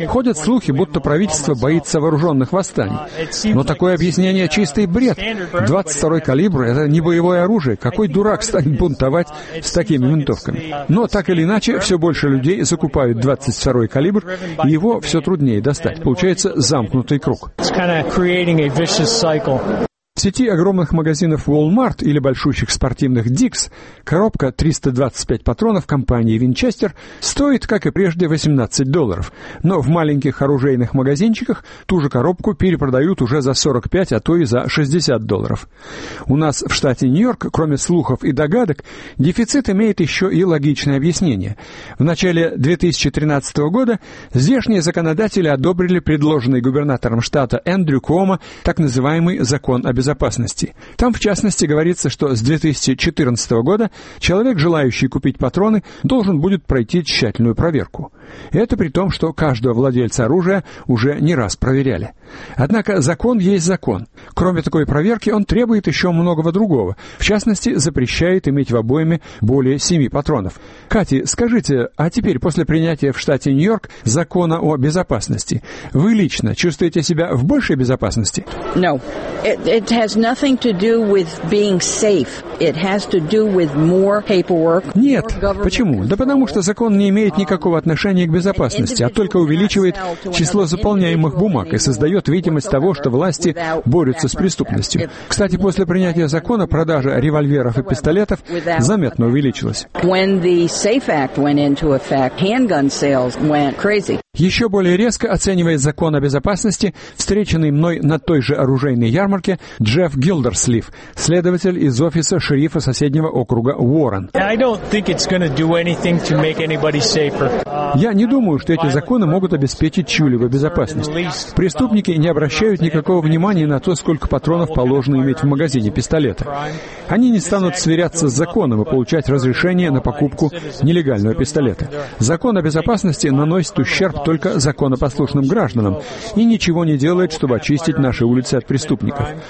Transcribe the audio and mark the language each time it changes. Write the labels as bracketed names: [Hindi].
[Russian] Ходят слухи, будто правительство боится вооруженных восстаний. Но такое объяснение чистый бред. 22-й калибр — это не боевое оружие. Какой дурак станет бунтовать с такими винтовками? Но так или иначе, все больше людей закупают 22-й калибр, и его все труднее достать. Получается замкнутый круг. [English] Creating a vicious cycle. [Russian] В сети огромных магазинов Walmart или большущих спортивных Dick's коробка 325 патронов компании Winchester стоит, как и прежде, $18. Но в маленьких оружейных магазинчиках ту же коробку перепродают уже за 45, а то и за $60. У нас в штате Нью-Йорк, кроме слухов и догадок, дефицит имеет еще и логичное объяснение. В начале 2013 года здешние законодатели одобрили предложенный губернатором штата Эндрю Куомо так называемый закон о безопасности. Там, в частности, говорится, что с 2014 года человек, желающий купить патроны, должен будет пройти тщательную проверку. Это при том, что каждого владельца оружия уже не раз проверяли. Однако закон есть закон. Кроме такой проверки, он требует еще многого другого. В частности, запрещает иметь в обойме более 7 патронов. Катя, скажите, а теперь после принятия в штате Нью-Йорк закона о безопасности, вы лично чувствуете себя в большей безопасности? Нет. [English] It has nothing to do with being safe. It has to do with more paperwork. [Russian] Нет. Почему? Да потому что закон не имеет никакого отношения к безопасности, а только увеличивает число заполняемых бумаг и создает видимость того, что власти борются с преступностью. Кстати, после принятия закона продажа револьверов и пистолетов заметно увеличилась. [English] When the SAFE Act went into effect, handgun sales went crazy. [Russian] Еще более резко оценивает закон о безопасности, встреченный мной на той же оружейной ярмарке, Джефф Гилдерслив, следователь из офиса шерифа соседнего округа Уоррен. [English] I don't think it's going to do anything to make anybody safer. [Russian] Я не думаю, что эти законы могут обеспечить чью-либо безопасность. Преступники не обращают никакого внимания на то, сколько патронов положено иметь в магазине пистолета. Они не станут сверяться с законом и получать разрешение на покупку нелегального пистолета. Закон о безопасности наносит ущерб только законопослушным гражданам и ничего не делает, чтобы очистить наши улицы от преступников.